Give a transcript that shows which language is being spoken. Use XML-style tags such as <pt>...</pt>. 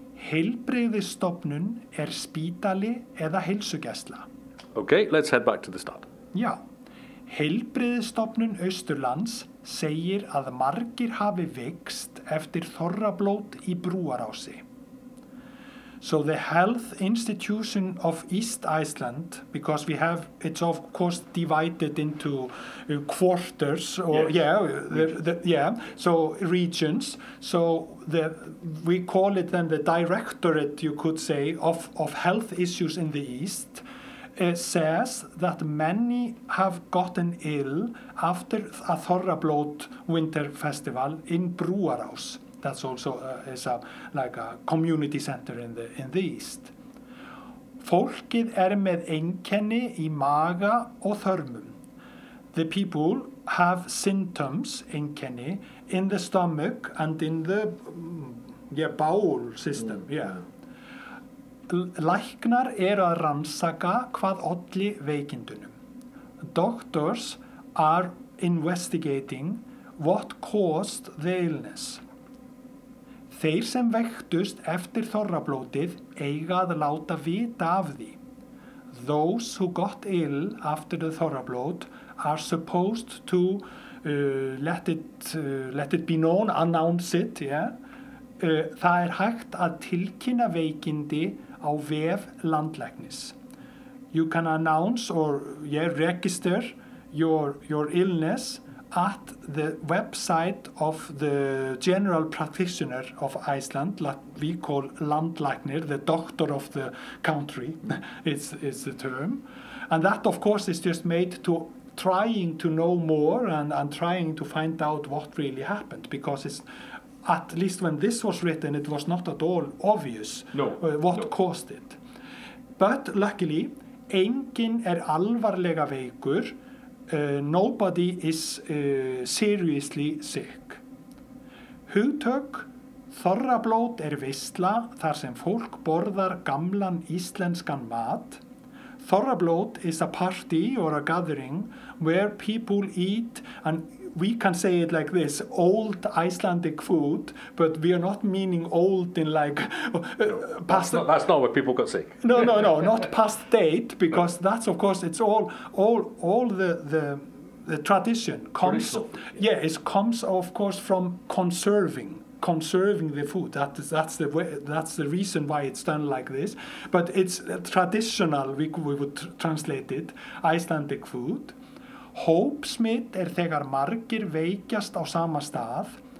<is>Heilbrigðisstofnun spítali eða heilsugæsla.</is> <en>Okay, let's head back to the start.</en> <is>Já. Heilbrigðisstofnun Austurlands segir að margir hafi veikst eftir þorrablót í Brúarási.</is> <en>So the health institution of East Iceland, because we have, it's of course divided into quarters, so regions. So we call it then the directorate, you could say, of health issues in the East. It says that many have gotten ill after a Þorrablót winter festival in Brúarás. That's also a community center in the East.</en> <is>Fólkið með einkenni í maga og þörmum.</is> <en>The people have symptoms, einkenni, in the stomach and in the bowel system. Mm. Yeah.</en> <is>Læknar að rannsaka hvað olli veikindunum.</is> <en>Doctors are investigating what caused the illness.</en> <is>Þeir sem veiktust eftir þorrablótið eiga að láta vita af því.</is> <en>Those who got ill after the thorablót are supposed to let it be known, announce it. Yeah. Það hægt að tilkynna veikindi á vef landlæknis. You can announce or register your illness at the website of the general practitioner of Iceland, like we call landlæknir, the doctor of the country, is the term. And that, of course, is just made to trying to know more and trying to find out what really happened, because it's, at least when this was written, it was not at all obvious caused it. But luckily,</en> <is>enginn alvarlega veikur.</is> <en>Nobody is seriously sick.</en> <is>Hugtök, þorrablót veisla þar sem fólk borðar gamlan íslenskan mat.</is> <en>Þorrablót is a party or a gathering where people eat, and we can say it like this, old Icelandic food, but we are not meaning old in like past... That's not where people got sick. No, not past date, because that's, of course, it's all the tradition comes... It comes, of course, from conserving the food. That's the reason why it's done like this. But it's traditional, we would translate it, Icelandic food.</en> <is>Hópsmit þegar margir veikjast á sama stað.</is>